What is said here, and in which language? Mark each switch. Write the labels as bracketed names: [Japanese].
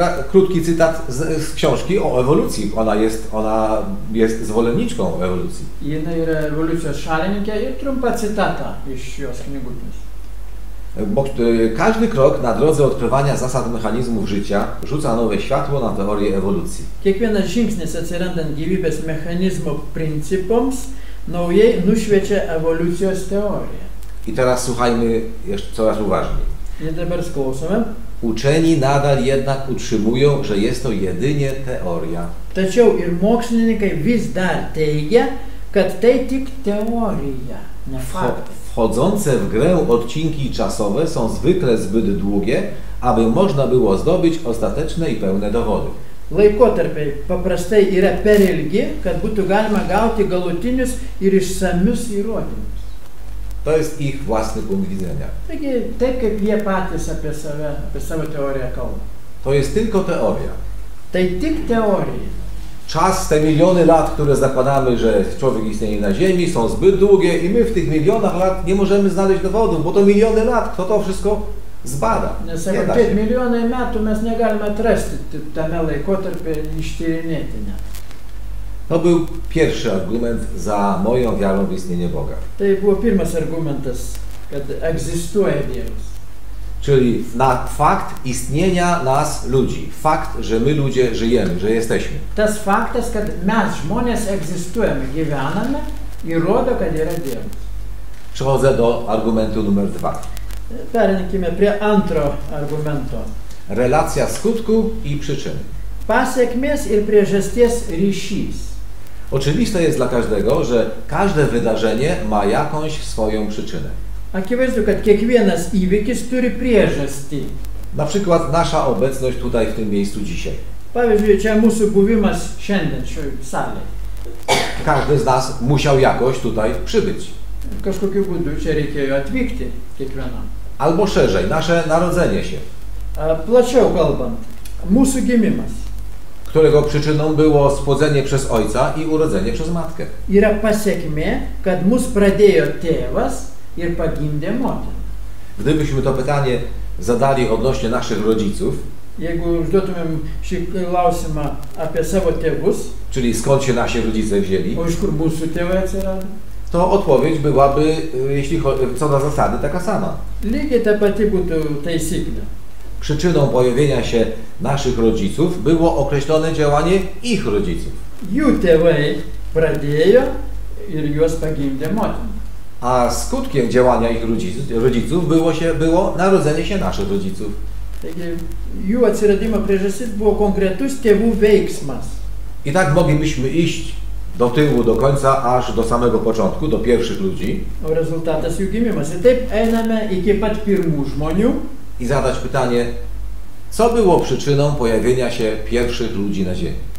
[Polish] Krótki cytat z książki o ewolucji. Ona jest zwolenniczką ewolucji. Jedna jest ewolucja szalenika i trumpa cytata iż się z knigutnych. Bo każdy krok na drodze odkrywania zasad mechanizmów życia rzuca nowe światło na teorię ewolucji. [Lithuanian] Kiekvienas žingsnis atsirandant gyvybės mechanizmo principoms naujai nušviečia evoliucijos teoriją. [Polish] I teraz słuchajmy jeszcze coraz uważniej. [Lithuanian] I dabar sklausome. [Polish] Uczeni nadal jednak utrzymują, że jest to jedynie teoria. [Lithuanian] Tačiau ir mokslininkai vis dar teigia, kad tai tik teorija, ne fakt. [Polish] Wchodzące w grę odcinki czasowe są zwykle zbyt długie, aby można było zdobyć ostateczne i pełne dowody. [Lithuanian] Laikotarpiai paprastai yra per ilgi, kad būtų galima gauti galutinius ir išsamius įrodymus. [Polish] To jest ich własny punkt widzenia. [Lithuanian] Taigi, taip kaip jie patys apie save, apie savo teoriją kalba. [Polish] To jest tylko teoria. [Lithuanian] Tai tik teorija. [Polish] Czas, te miliony lat, które zakładamy, że człowiek istnieje na Ziemi, są zbyt długie i my w tych milionach lat nie możemy znaleźć dowodów, bo to miliony lat, kto to wszystko zbada? Nie sako, da się. Miliony lat, my nie możemy [Lithuanian] atrasti tamę laikotarpę i ištyrinėti. [Polish] To był pierwszy argument za moją wiarą w istnienie Boga. To był [Lithuanian] pirmas argumentas kad egzistuoja Dievas. [Polish] Czyli na fakt istnienia nas ludzi, fakt, że my ludzie żyjemy, że jesteśmy. [Lithuanian] Tas faktas, kad mes žmonės egzistuojame, gyvename, įrodo, kad yra Dievas. [Polish] Przechodzę do argumentu numer dwa. [Lithuanian] Pernikime prie antro argumento. [Polish] Relacja skutku i przyczyny. [Lithuanian] Pasekmės ir priežasties ryšys. [Polish] Oczywiste jest dla każdego, że każde wydarzenie ma jakąś swoją przyczynę. [Lithuanian] Akivaizdu, kad kiekvienas įvykis turi priežastį. [Polish] Na przykład nasza obecność tutaj w tym miejscu dzisiaj. [Lithuanian] Pavyzdžiui, čia mūsų buvimas šiandien šioj salėje. [Polish] Każdy z nas musiał jakoś tutaj przybyć. [Lithuanian] Kažkokiu būdu čia reikėjo atvykti kiekvienam. [Polish] Albo szerzej, nasze narodzenie się. [Lithuanian] Plačiau kalbant, mūsų gimimas. [Polish] Którego przyczyną było spłodzenie przez ojca i urodzenie przez matkę. [Lithuanian] Yra pasekmė, kad mus pradėjo tėvas ir pagimdė motiną. [Polish] Gdybyśmy to pytanie zadali odnośnie naszych rodziców, [Lithuanian] jeigu užduotumėm šį klausimą apie savo tėvus, [Polish] czyli skąd się nasi rodzice wzięli, [Lithuanian] o iš kur mūsų tėvai atsirado, [Polish] to odpowiedź byłaby, jeśli co do zasady, taka sama. [Lithuanian] Lygiai ta pati būtų taisyklė. [Polish] Przyczyną pojawienia się naszych rodziców było określone działanie ich rodziców. [Lithuanian] Jų tėvai pradėjo ir juos pagimdė motina. [Polish] A skutkiem działania ich rodziców było narodzenie się naszych rodziców. [Lithuanian] Taigi, jų atsiradimo priežastis buvo konkretus tėvų veiksmas. [Polish] I tak moglibyśmy iść do tyłu, do końca, aż do samego początku, do pierwszych ludzi. [Lithuanian] O rezultatas jų gimimas. I taip einame iki pat pirmų žmonių. [Polish] I zadać pytanie, co było przyczyną pojawienia się pierwszych ludzi na Ziemi?